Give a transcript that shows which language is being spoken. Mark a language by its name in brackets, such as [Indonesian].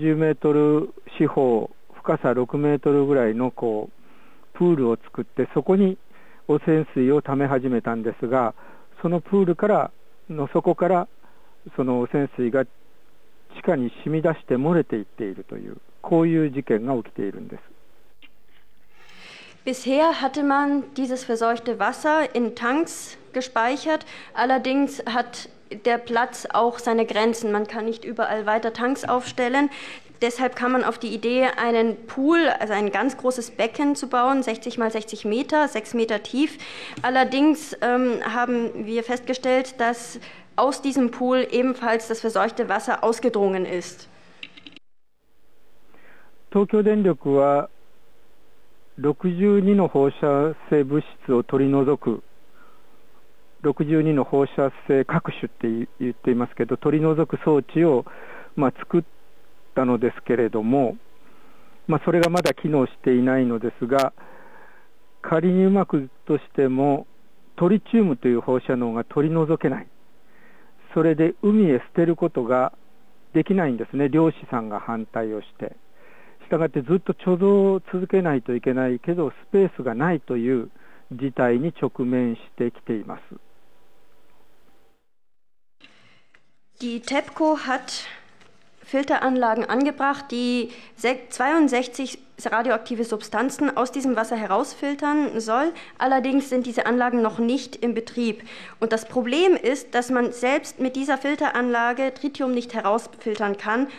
[Japanese] ートル四方、深さ6メートルぐらいのこうプールを作って、そこに汚染水を溜め始めたんですが、そのプールからの底からその汚染水が地下に染み出して漏れていっているという、こういう事件が起きているんです。 [German] Bisher hatte man dieses verseuchte Wasser in Tanks gespeichert, allerdings hat der Platz auch seine Grenzen. Man kann nicht überall weiter Tanks aufstellen. Deshalb kam man auf die Idee, einen Pool, also ein ganz großes Becken zu bauen, 60 mal 60 Meter, 6 Meter tief. Allerdings haben wir festgestellt, dass aus diesem Pool ebenfalls das verseuchte Wasser ausgedrungen ist. [Japanese] Tokyo Denryoku wa 62の放射性物質を取り除く 62の放射性核種って言っていますけど、取り除く装置を作ったのですけれども、それがまだ機能していないのですが、仮にうまくとしてもトリチウムという放射能が取り除けない。それで海へ捨てることができないんですね。漁師さんが反対をして。したがってずっと貯蔵を続けないといけないけど、スペースがないという事態に直面してきています。 [German] Die TEPCO hat Filteranlagen angebracht, die 62 radioaktive Substanzen aus diesem Wasser herausfiltern soll. Allerdings sind diese Anlagen noch nicht in Betrieb. Und das Problem ist, dass man selbst mit dieser Filteranlage Tritium nicht herausfiltern kann.